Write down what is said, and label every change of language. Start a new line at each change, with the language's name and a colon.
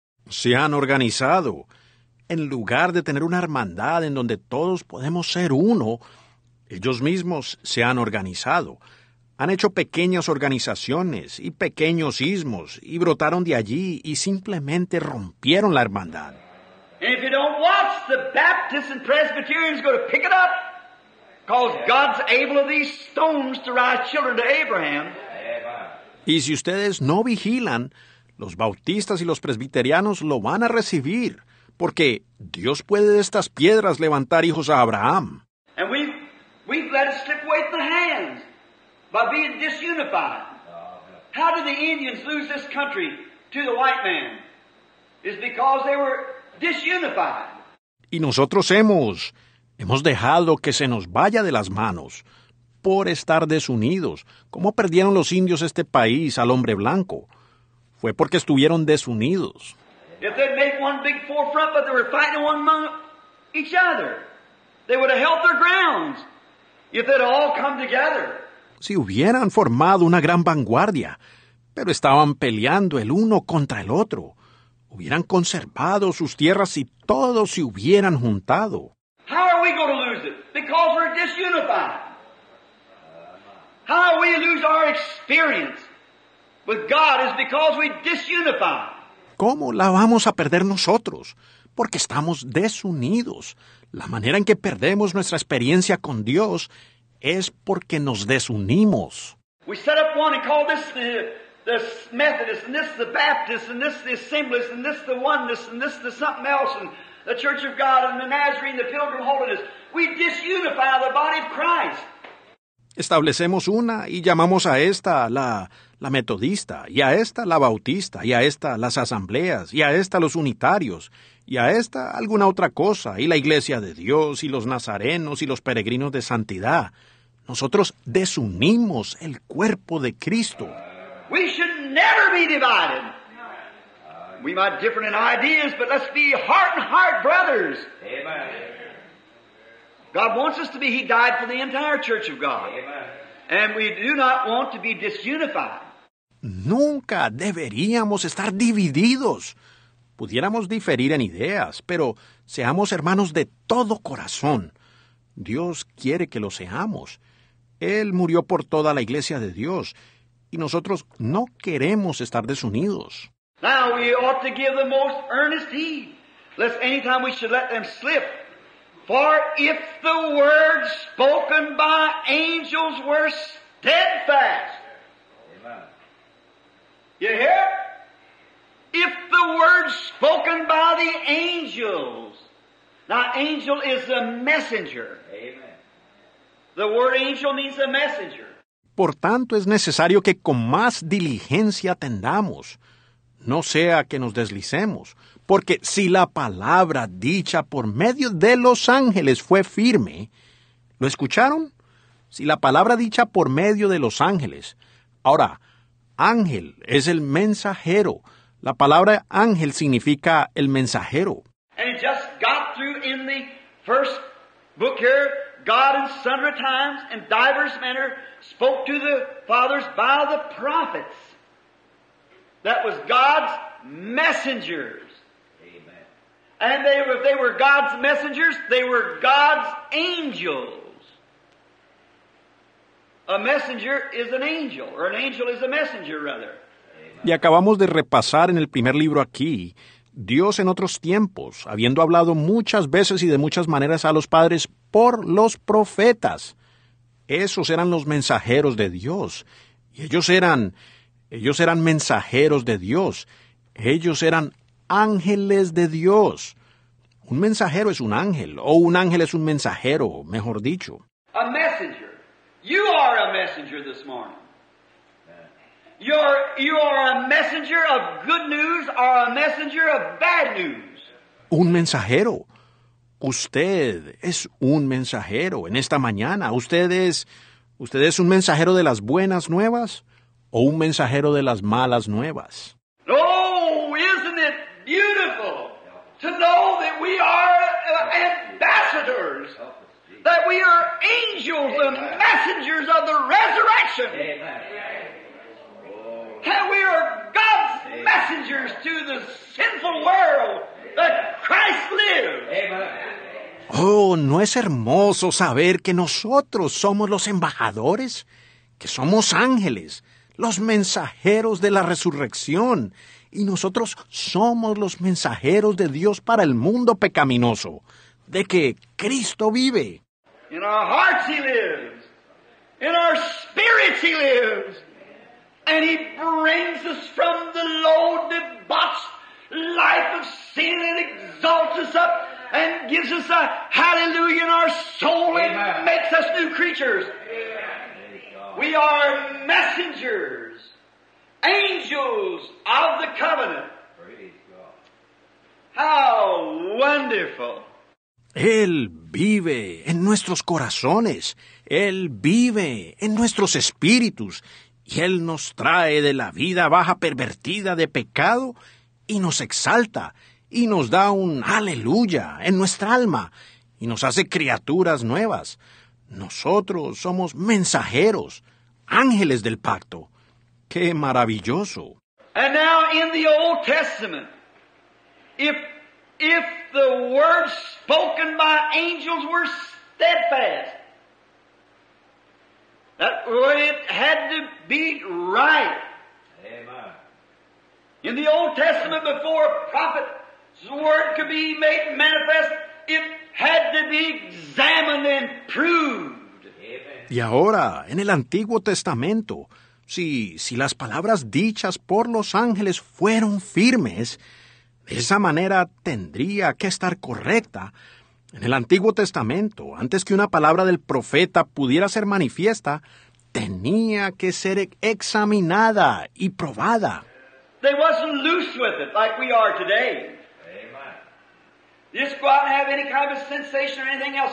Spanish: Se han organizado. En lugar de tener una hermandad en donde todos podemos ser uno, ellos mismos se han organizado. Han hecho pequeñas organizaciones y pequeños ismos y brotaron de allí y simplemente rompieron la hermandad.
English: And if you don't watch, the Baptists and Presbyterians go to pick it up because God's able of these stones to raise children to Abraham.
Spanish: Y si ustedes no vigilan, los bautistas y los presbiterianos lo van a recibir. Porque Dios puede de estas piedras levantar hijos a Abraham.
English: And we've let it slip away from the hands by being disunified. How did the Indians lose this country to the white man? It's because they were disunified.
Spanish: Y nosotros hemos dejado que se nos vaya de las manos por estar desunidos. ¿Cómo perdieron los indios este país al hombre blanco? Fue porque estuvieron desunidos.
English: If they'd made one big forefront, but they were fighting one among each other, they would have held their grounds if they'd all come together.
Spanish: Si hubieran formado una gran vanguardia, pero estaban peleando el uno contra el otro, hubieran conservado sus tierras si todos se hubieran juntado.
English: How are we going to lose it? Because we're disunified. How we lose our experience with God is because we disunified.
Spanish: ¿Cómo la vamos a perder nosotros? Porque estamos desunidos. La manera en que perdemos nuestra experiencia con Dios es porque nos desunimos.
English: We set up one and call this the Methodist, and this the Baptist, and this the Assemblies, and this the Oneness, and this the something else, and the Church of God, and the Nazarene, the Pilgrim Holiness. We disunify the body of Christ.
Spanish: Establecemos una y llamamos a esta la metodista, y a esta la bautista, y a esta las asambleas, y a esta los unitarios, y a esta alguna otra cosa, y la iglesia de Dios, y los nazarenos, y los peregrinos de santidad. Nosotros desunimos el cuerpo de Cristo.
English: We should never be divided. We might differ in ideas, but let's be heart and heart brothers. Amen. God wants us to be. He died for the entire church of God. Amen. And we do not want to be disunified.
Spanish: Nunca deberíamos estar divididos. Pudiéramos diferir en ideas, pero seamos hermanos de todo corazón. Dios quiere que lo seamos. Él murió por toda la iglesia de Dios, y nosotros no queremos estar desunidos.
English: Now we ought to give the most earnest heed, lest any time we should let them slip. For if the words spoken by angels were steadfast. Amen. You hear? If the words spoken by the angels. Now, angel is the messenger. Amen. The word angel means the messenger.
Spanish: Por tanto, es necesario que con más diligencia atendamos, no sea que nos deslicemos, porque si la palabra dicha por medio de los ángeles fue firme, ¿lo escucharon? Si la palabra dicha por medio de los ángeles. Ahora, ángel es el mensajero. La palabra ángel significa el mensajero.
English: And it just got through in the first book here, God in sundry times and divers manner spoke to the fathers by the prophets. That was God's messengers. Amen. And they were, if they were God's messengers, they were God's angels. A messenger is an angel, or an angel is a messenger, rather.
Spanish: Y acabamos de repasar en el primer libro aquí, Dios en otros tiempos, habiendo hablado muchas veces y de muchas maneras a los padres por los profetas. Esos eran los mensajeros de Dios. Y ellos eran mensajeros de Dios. Ellos eran ángeles de Dios. Un mensajero es un ángel, o un ángel es un mensajero, mejor dicho.
English: A messenger. You are a messenger this morning. You are a messenger of good news or a messenger of bad news.
Spanish: Un mensajero. Usted es un mensajero en esta mañana. Usted es un mensajero de las buenas nuevas o un mensajero de las malas nuevas.
English: Oh, isn't it beautiful to know that we are ambassadors, that we are angels and messengers of the resurrection. Amen. And we are God's messengers to the sinful world that Christ lives.
Spanish: Oh, ¿no es hermoso saber que nosotros somos los embajadores? Que somos ángeles, los mensajeros de la resurrección. Y nosotros somos los mensajeros de Dios para el mundo pecaminoso, de que Cristo vive.
English: In our hearts He lives. In our spirits He lives. And He brings us from the low, debauched life of sin and exalts us up and gives us a hallelujah in our soul. Amen. And makes us new creatures. Amen. We are messengers, angels of the covenant. How wonderful!
Spanish: Él vive en nuestros corazones. Él vive en nuestros espíritus. Y Él nos trae de la vida baja pervertida de pecado y nos exalta y nos da un aleluya en nuestra alma y nos hace criaturas nuevas. Nosotros somos mensajeros, ángeles del pacto. ¡Qué maravilloso!
English: And now in the Old Testament, if the words spoken by angels were steadfast, that it had to be right. Amen. In the Old Testament, before a prophet's word could be made manifest, it had to be examined and proved. Amen.
Spanish: Y ahora, en el Antiguo Testamento, si las palabras dichas por los ángeles fueron firmes, de esa manera tendría que estar correcta. En el Antiguo Testamento, antes que una palabra del profeta pudiera ser manifiesta, tenía que ser examinada y probada.
English: They wasn't loose with it like we are today. Amen. Just go out and have any kind of sensation or anything else.